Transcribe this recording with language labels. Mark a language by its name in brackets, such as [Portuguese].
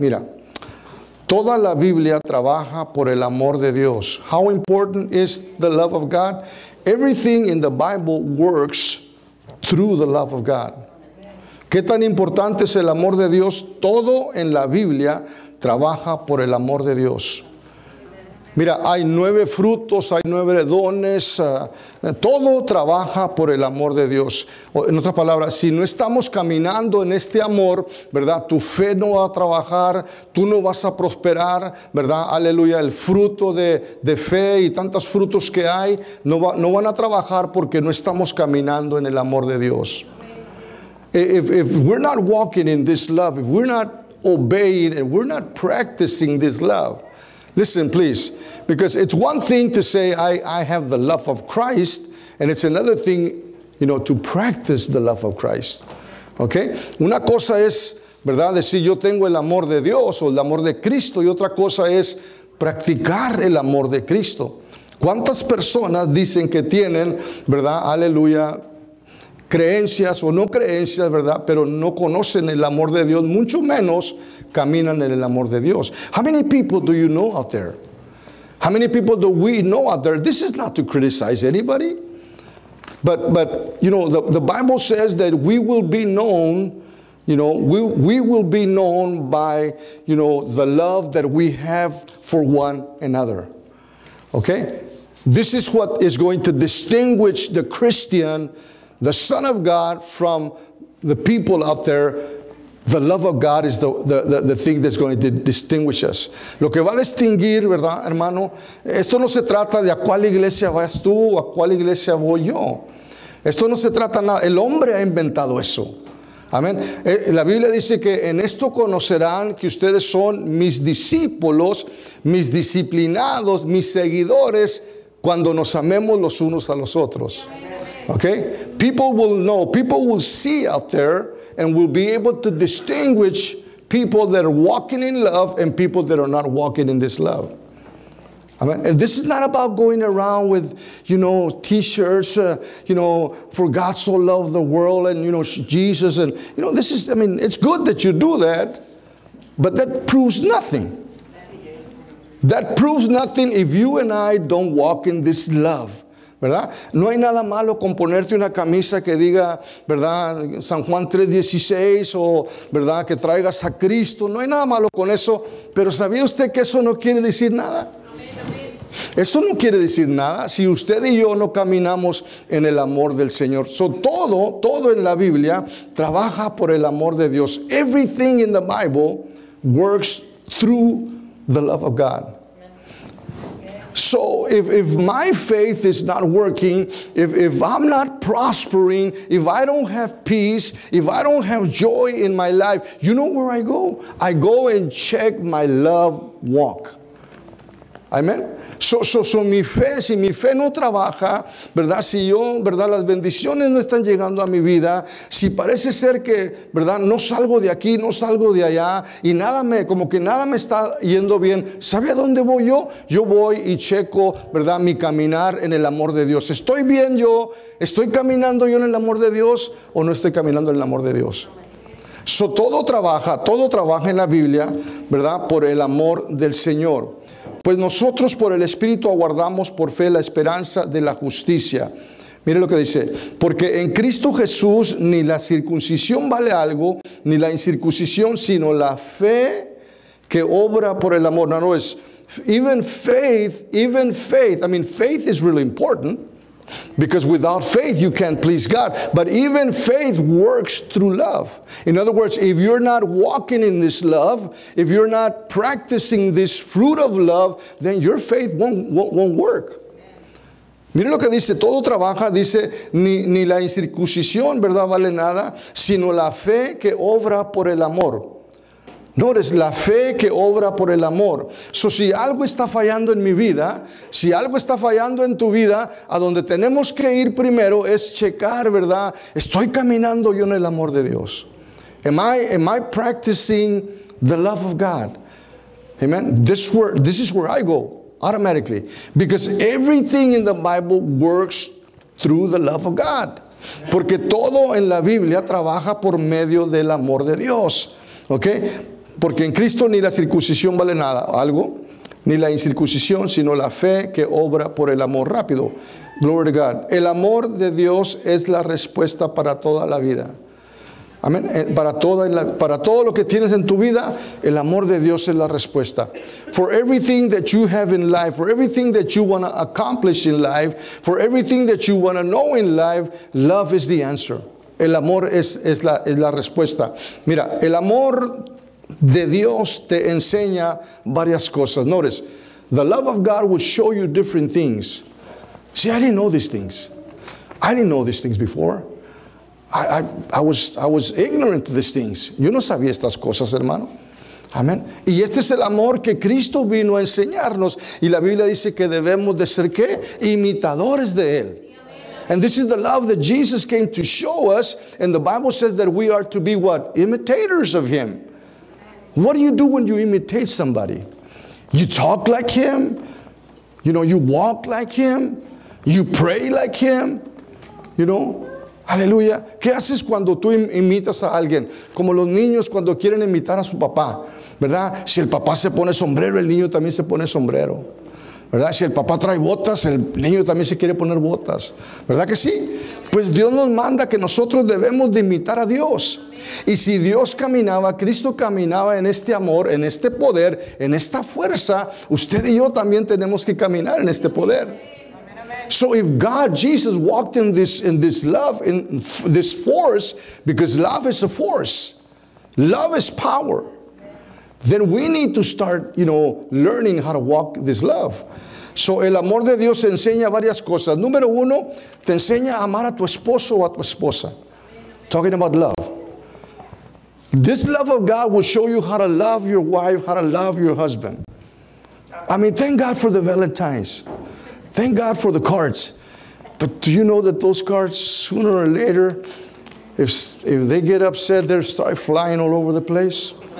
[Spanish] Mira, toda la Biblia trabaja por el amor de Dios. [English] How important is the love of God? Everything in the Bible works through the love of God. [Spanish] ¿Qué tan importante es el amor de Dios? Todo en la Biblia trabaja por el amor de Dios. Mira, hay 9 frutos, hay 9 dones, todo trabaja por el amor de Dios. O, en otras palabras, si no estamos caminando en este amor, ¿verdad?, tu fe no va a trabajar, tú no vas a prosperar, ¿verdad?, aleluya, el fruto de fe y tantos frutos que hay, no van a trabajar porque no estamos caminando en el amor de Dios. [English] If we're not walking in this love, if we're not obeying, and we're not practicing this love, listen, please, because it's one thing to say I have the love of Christ, and it's another thing, you know, to practice the love of Christ. Okay? [Spanish] Una cosa es, ¿verdad?, decir yo tengo el amor de Dios o el amor de Cristo, y otra cosa es practicar el amor de Cristo. ¿Cuántas personas dicen que tienen, ¿verdad?, aleluya, creencias o no creencias, ¿verdad?, pero no conocen el amor de Dios, mucho menos caminan en el amor de Dios? [English] How many people do you know out there? How many people do we know out there? This is not to criticize anybody. But you know, the Bible says that we will be known, you know, we will be known by, you know, the love that we have for one another. Okay? This is what is going to distinguish the Christian, the Son of God, from the people out there. The love of God is the thing that's going to distinguish us. [Spanish] Lo que va a distinguir, ¿verdad, hermano? Esto no se trata de a cuál iglesia vas tú o a cuál iglesia voy yo. Esto no se trata nada. El hombre ha inventado eso. Amén. La Biblia dice que en esto conocerán que ustedes son mis discípulos, mis disciplinados, mis seguidores, cuando nos amemos los unos a los otros. [English] Okay? People will know. People will see out there and will be able to distinguish people that are walking in love and people that are not walking in this love. I mean, and this is not about going around with, you know, t-shirts, you know, for God so loved the world and, you know, Jesus. And, you know, this is, I mean, it's good that you do that, but that proves nothing. That proves nothing if you and I don't walk in this love. [Spanish] ¿Verdad? No hay nada malo con ponerte una camisa que diga, ¿verdad?, San Juan 3:16, o, ¿verdad?, que traigas a Cristo. No hay nada malo con eso. Pero ¿sabía usted que eso no quiere decir nada? Eso no quiere decir nada si usted y yo no caminamos en el amor del Señor. So, todo en la Biblia trabaja por el amor de Dios. [English] Everything in the Bible works through the love of God. So if my faith is not working, if I'm not prospering, if I don't have peace, if I don't have joy in my life, you know where I go? I go and check my love walk. Amén. [Spanish] So mi fe, si mi fe no trabaja, ¿verdad? Si yo, ¿verdad? Las bendiciones no están llegando a mi vida, si parece ser que, ¿verdad? No salgo de aquí, no salgo de allá, y nada me, como que nada me está yendo bien, ¿sabe a dónde voy yo? Yo voy y checo, ¿verdad? Mi caminar en el amor de Dios. ¿Estoy bien yo? ¿Estoy caminando yo en el amor de Dios o no estoy caminando en el amor de Dios? So, todo trabaja en la Biblia, ¿verdad? Por el amor del Señor. Pues nosotros por el Espíritu aguardamos por fe la esperanza de la justicia. Mire lo que dice, porque en Cristo Jesús ni la circuncisión vale algo, ni la incircuncisión, sino la fe que obra por el amor. No, no es, [English] even faith, I mean, faith is really important, because without faith you can't please God, but even faith works through love. In other words, if you're not walking in this love, if you're not practicing this fruit of love, then your faith won't work. [Spanish] Mire lo que dice, todo trabaja, dice, ni la incircuncisión, verdad, vale nada, sino la fe que obra por el amor. Notice, la fe que obra por el amor. So, si algo está fallando en mi vida, si algo está fallando en tu vida, a donde tenemos que ir primero es checar, ¿verdad? ¿Estoy caminando yo en el amor de Dios? [English] Am I practicing the love of God? Amen. This is where I go, automatically. Because everything in the Bible works through the love of God. [Spanish] Porque todo en la Biblia trabaja por medio del amor de Dios. Okay? Porque en Cristo ni la circuncisión vale nada, algo, ni la incircuncisión, sino la fe que obra por el amor. Rápido. [English] Glory to God. [Spanish] El amor de Dios es la respuesta para toda la vida. Amén. Para todo lo que tienes en tu vida, el amor de Dios es la respuesta. [English] For everything that you have in life, for everything that you want to accomplish in life, for everything that you want to know in life, love is the answer. [Spanish] El amor es la respuesta. Mira, el amor de Dios te enseña varias cosas. [English] Notice, the love of God will show you different things. See, I didn't know these things. I didn't know these things before. I was ignorant to these things. [Spanish] Yo no sabía estas cosas, hermano. Amén. Y este es el amor que Cristo vino a enseñarnos. Y la Biblia dice que debemos de ser, ¿qué? Imitadores de Él. [English] And this is the love that Jesus came to show us. And the Bible says that we are to be what? Imitators of Him. What do you do when you imitate somebody? You talk like him. You know, you walk like him. You pray like him. You know, aleluya. [Spanish] ¿Qué haces cuando tú imitas a alguien? Como los niños cuando quieren imitar a su papá, ¿verdad? Si el papá se pone sombrero, el niño también se pone sombrero, ¿verdad? Si el papá trae botas, el niño también se quiere poner botas, ¿verdad que sí? Pues Dios nos manda que nosotros debemos de imitar a Dios. Y si Dios caminaba, Cristo caminaba en este amor, en este poder, en esta fuerza, usted y yo también tenemos que caminar en este poder. [English] So if God, Jesus, walked in this love, in this force, because love is a force, love is power, then we need to start, you know, learning how to walk this love. [Spanish] So el amor de Dios enseña varias cosas. Número uno, te enseña a amar a tu esposo o a tu esposa. [English] Talking about love. This love of God will show you how to love your wife, how to love your husband. I mean, thank God for the Valentines. Thank God for the cards. But do you know that those cards, sooner or later, if they get upset, they start flying all over the place?